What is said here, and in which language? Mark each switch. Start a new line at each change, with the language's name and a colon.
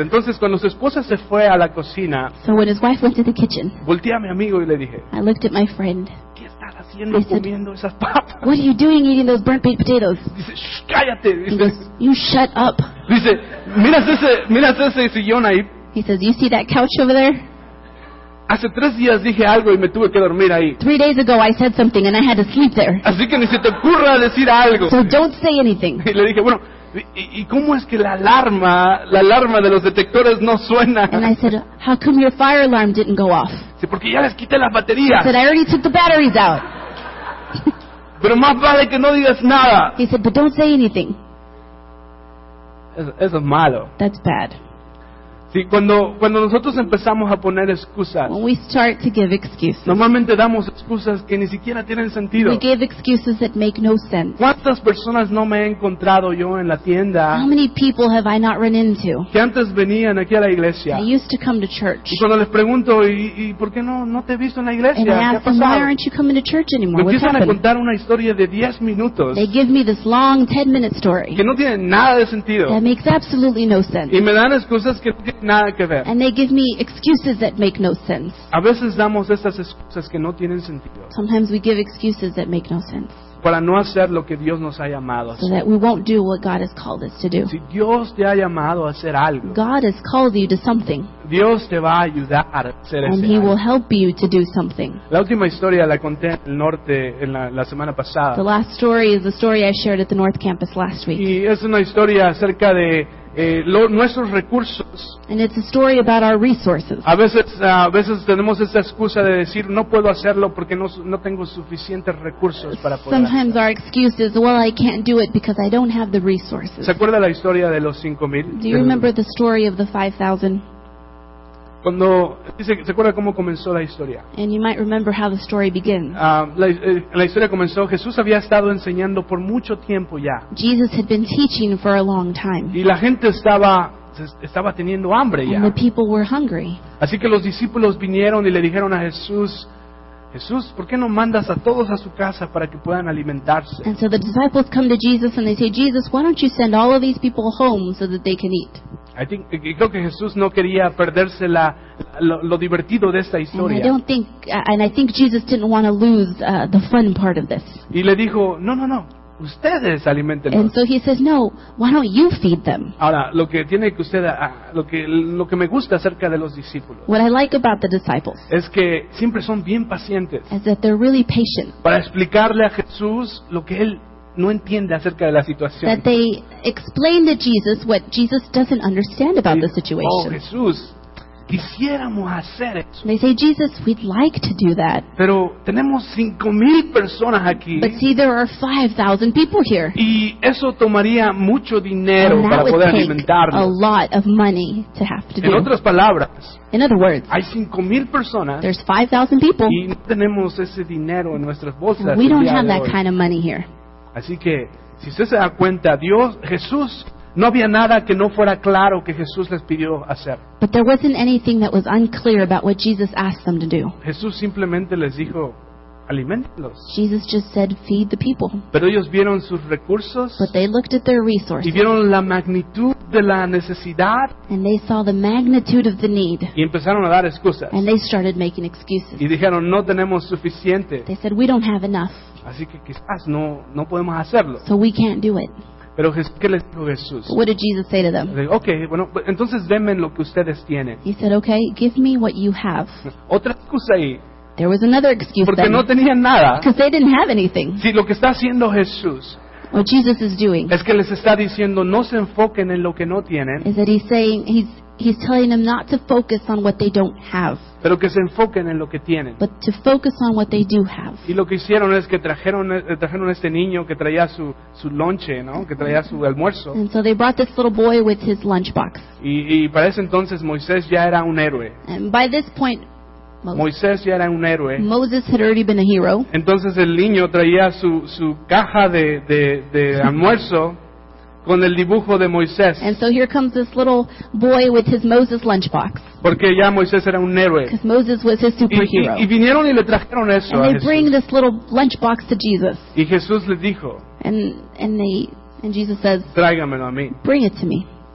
Spanish: Entonces cuando su esposa se fue a la cocina,
English: so when his wife went to the kitchen,
Spanish: volteé a mi amigo y le dije,
English: I looked at my friend.
Spanish: ¿Qué estás haciendo comiendo esas papas?
English: What are you doing eating those burnt baked potatoes?
Spanish: Dice, shh, cállate.
English: He goes, you shut up.
Spanish: Dice, miras ese sillón ahí.
English: He says, you see that couch over there?
Spanish: Hace tres días dije algo y me tuve que dormir ahí.
English: 3 days ago I said something and I had to sleep there.
Spanish: Así que ni se te ocurra decir algo.
English: So don't say anything.
Spanish: Y le dije, bueno, ¿y cómo es que la alarma de los detectores no suena?
English: And I said, how come your fire alarm didn't go off?
Spanish: Sí, porque ya les quité las baterías.
English: He said, I already took the batteries out.
Spanish: Pero más vale que no digas nada.
English: He said, but don't say anything.
Spanish: Eso es malo.
English: That's bad.
Spanish: Sí, cuando nosotros empezamos a poner excusas,
English: when we start to give excuses,
Spanish: normalmente damos excusas que ni siquiera tienen sentido.
English: We give excuses that make no sense.
Spanish: ¿Cuántas personas no me he encontrado yo en la tienda?
English: How many people have I not run into?
Spanish: Que antes venían aquí a la iglesia.
English: They used to come to church.
Spanish: Y cuando les pregunto, ¿y por qué no te he visto en la iglesia?
English: And I ask them, why aren't you coming to church anymore?
Spanish: Me empiezan a contar una historia de 10 minutos.
English: They give me this long 10-minute story.
Spanish: Que no tiene nada de sentido.
English: That makes absolutely no sense.
Spanish: Y me dan excusas que nada que ver.
English: And they give me excuses that make no sense.
Spanish: A veces damos estas excusas que no tienen sentido.
English: Sometimes we give excuses that make no sense.
Spanish: Para no hacer lo que Dios nos ha llamado a hacer.
English: So that we won't do what God has called us to do.
Spanish: Si Dios te ha llamado a hacer algo.
English: God has called you to something.
Spanish: Dios te va a ayudar a hacer
English: and he
Spanish: algo.
English: Will help you to do something.
Spanish: La última historia la conté en el norte en la semana pasada.
English: The last story is the story I shared at the North Campus last week.
Spanish: Y es una historia acerca de nuestros recursos.
English: And it's a story about our resources.
Spanish: A veces tenemos esa excusa de decir no puedo hacerlo porque no tengo suficientes recursos para poder.
English: Sometimes our excuse is, well, I can't do it because I don't have the resources.
Spanish: ¿Se acuerda la historia de los 5,000?
English: Do you remember the story of the 5,000?
Spanish: Cuando se acuerda cómo comenzó la historia.
English: And you might remember how the story begins.
Spanish: La historia comenzó. Jesús había estado enseñando por mucho tiempo ya.
English: Jesus had been teaching for a long time.
Spanish: Y la gente estaba teniendo hambre ya.
English: And the people were hungry.
Spanish: Así que los discípulos vinieron y le dijeron a Jesús. Jesús, ¿por qué no mandas a todos a su casa para que puedan alimentarse?
English: And so the disciples come to Jesus and they say, Jesus, why don't you send all of these people home so that they can eat?
Spanish: Creo que Jesús no quería perderse lo divertido de esta historia.
English: And I think Jesus didn't want to lose the fun part of this.
Spanish: Y le dijo, no. Ustedes alimentenlos.
English: And so he says, no, why don't you feed them?
Spanish: Ahora, lo que tiene que usted, lo que me gusta acerca de los discípulos.
English: What I like about the disciples.
Spanish: Es que siempre son bien pacientes.
English: Is that they're really patient.
Spanish: Para explicarle a Jesús lo que él no entiende acerca de la situación.
English: That they explain to Jesus what Jesus doesn't understand about the situation.
Spanish: Oh, Jesús, quisiéramos hacer eso.
English: They say, Jesus, we'd like to do that.
Spanish: Pero tenemos 5,000 personas aquí.
English: But see, there are 5,000 people here.
Spanish: Y eso tomaría mucho dinero
English: and
Spanish: para
English: that
Spanish: poder
English: would take
Spanish: alimentarnos.
English: A lot of money to have to
Spanish: en
English: do.
Spanish: Otras palabras,
English: in other words,
Spanish: hay 5,000 personas,
English: there's 5,000 people.
Spanish: Y no tenemos ese dinero en nuestras bolsas.
English: We don't have that kind of money here.
Spanish: Así que, si usted se da cuenta, Dios, Jesús, no había nada que no fuera claro que Jesús les pidió hacer.
English: But there wasn't anything that was unclear about what Jesus asked them to do.
Spanish: Jesús simplemente les dijo, aliméntelos.
English: Jesus just said, feed the people.
Spanish: Pero ellos vieron sus recursos.
English: But they looked at their resources.
Spanish: Y vieron la magnitud de la necesidad.
English: And they saw the magnitude of the need.
Spanish: Y empezaron a dar excusas.
English: And they started making excuses.
Spanish: Y dijeron, no tenemos suficiente.
English: They said, we don't have enough.
Spanish: Así que quizás no podemos hacerlo.
English: So we can't do it.
Spanish: Pero ¿qué les dijo Jesús?
English: What did Jesus say to them?
Spanish: Okay, bueno, entonces denme lo que ustedes tienen.
English: He said, okay, give me what you have.
Spanish: Otra excusa ahí.
English: There was another excuse.
Spanish: Porque
English: then,
Spanish: no tenían nada.
English: Because they didn't have anything.
Spanish: Sí, lo que está haciendo Jesús.
English: What Jesus is doing.
Spanish: Es que les está diciendo no se enfoquen en lo que no tienen.
English: Is that he's saying he's telling them not to focus on what they don't have.
Spanish: Pero que se enfoquen en lo que tienen.
English: But to focus on what they do have.
Spanish: Y lo que hicieron es que trajeron este niño que traía su lonche, ¿no? Que traía su almuerzo.
English: And so they brought this little boy with his lunchbox.
Spanish: Y para ese entonces Moisés ya era un héroe.
English: And by this point,
Spanish: Moisés ya era un héroe.
English: Moses had already been a hero.
Spanish: Entonces el niño traía su caja de almuerzo con el dibujo de Moisés.
English: And so here comes this little boy with his Moses lunchbox.
Spanish: Porque ya Moisés era un héroe.
English: Because Moses was his superhero.
Spanish: Y vinieron y le trajeron eso.
English: And they
Spanish: a Jesús.
English: Bring this little lunchbox to Jesus.
Spanish: Y Jesús le dijo.
English: And Jesus says.
Spanish: Tráigamelo a mí.
English: Bring it to me.